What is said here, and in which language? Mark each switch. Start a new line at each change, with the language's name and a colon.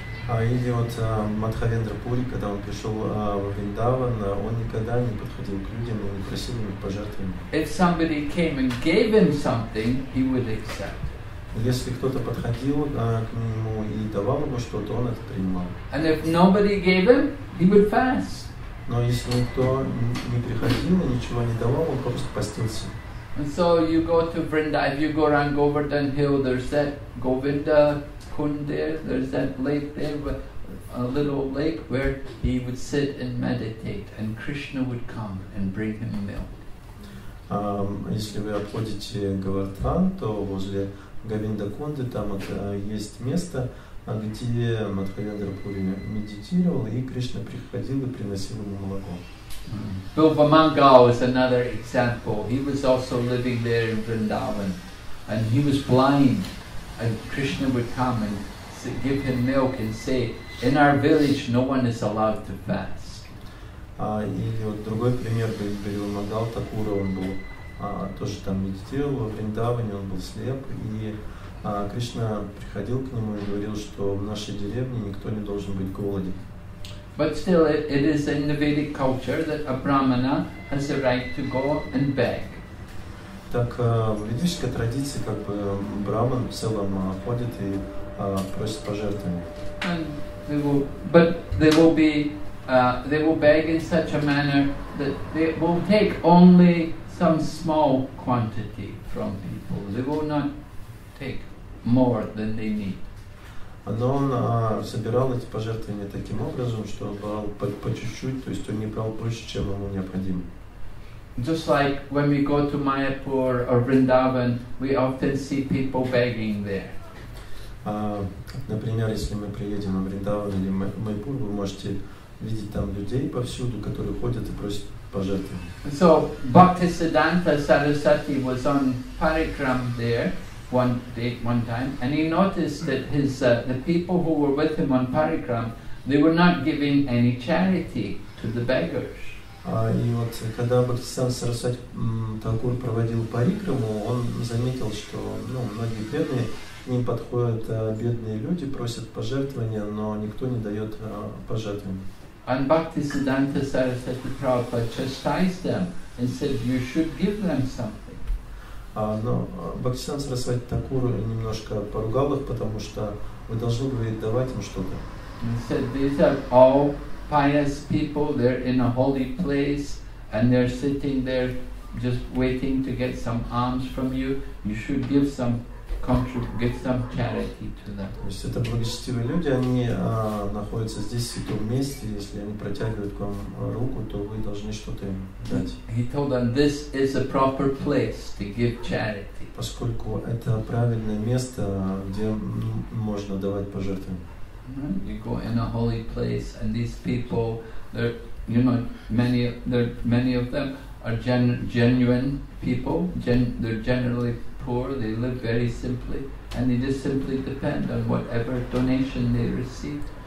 Russian: Или вот Мадхавендра Пури, когда он пришел в Вриндаван, он никогда не подходил к людям, он не просил у них пожертвований.
English: If somebody came and gave him something, he would accept.
Russian: Если кто-то подходил к нему и давал ему что-то, он это принимал.
English: And if nobody gave him, he would fast.
Russian: Но если никто не приходил и ничего не давал, он просто постился.
English: And so you go to Vrindavan, if you go around Govardhan Hill, there's that Govinda Kund there, there's that lake there, a little lake where he would sit and meditate, and Krishna would come and bring him milk.
Russian: Если вы обходите Говардхан, то возле Говинда Кунды, там есть место, где Мадхавендра Пури медитировал, и Кришна приходил и приносил ему молоко.
English: Билбамангал is another example. He was also living there in Vrindavan, and he was blind, and Krishna would come and give him milk and say, in our village no one is allowed to fast.
Russian: Или вот другой пример, Билбамангал Такура, он был тоже там медитировал во Вриндаване, он был слеп, и Кришна приходил к нему и говорил, что в нашей деревне никто не должен быть голоден.
English: But still, it is in the Vedic culture that a brahmana has a right to go and beg.
Russian: Так в ведической традиции как бы браман в целом ходит и просит пожертвования.
English: They will beg in such a manner that they will take only some small quantity from people. They will not take more than they need.
Russian: Но он собирал эти пожертвования таким образом, что брал по чуть-чуть, то есть он не брал больше, чем ему необходимо.
English: Just like when we go to Mayapur or Vrindavan, we often see people begging there.
Russian: Например, если мы приедем в Вриндаван или Майпур, вы можете видеть там людей повсюду, которые ходят и просят.
English: So Bhaktisiddhanta Sarasvati was on parikram there one time, and he noticed that the people who were with him on parikram, they were not giving any charity to the beggars.
Russian: И вот когда Бхактисиддханта Сарасвати Такур проводил парикраму, он заметил, что многие бедные не подходят, бедные люди просят пожертвования, но никто не дает пожертвования.
English: And Bhaktisiddhanta Sarasvati Prabhupada chastised them and said, you should give them something.
Russian: Но Бхактисиддханта Сарасвати Такур немножко поругал их, потому что вы должны были давать им что-то.
English: He said, these are all pious people, they're in a holy place, and they're sitting there just waiting to get some alms from you. You should give some charity to them.
Russian: То есть это благочестивые люди, они находятся здесь в святом месте, если они протягивают к вам руку, то вы должны что-то им дать.
English: He told them this is a proper place to give charity.
Russian: Поскольку это правильное место, где можно давать пожертвования.
English: You go in a holy place, and these people, many of them are genuine people. They're generally poor, they live very simply, and they just simply depend on whatever donation they receive.